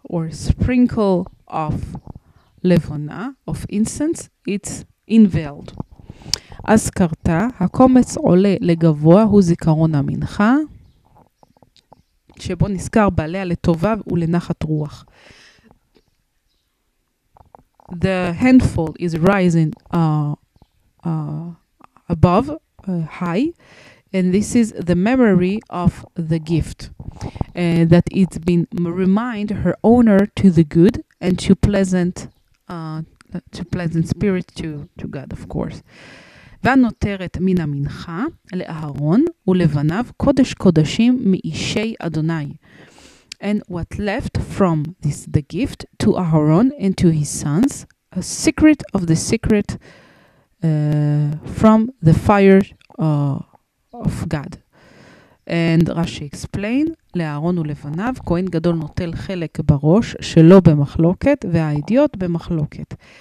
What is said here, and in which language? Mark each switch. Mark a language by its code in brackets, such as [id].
[en] Sprinkle of levona, of incense, it's inveiled. [he] As karta, הקומץ עולה לגבוה הוא זיכרון המנחה, שבו נזכר בעליה לטובה ולנחת רוח. [en] The handful is rising high, and this is the memory of the gift, that it's been remind her owner to the good and to pleasant spirit to God, of course. [he] ונותרת מן המנחה לאהרון ולבניו קודש קודשים מאישי אדוני. [en] And what left from this the gift to Aharon and to his sons, a secret of the secret, from the fire of God. And Rashi explained, [he] לאהרון ולבניו כהן גדול נוטל חלק בראש שלא במחלוקת והעדיות במחלוקת.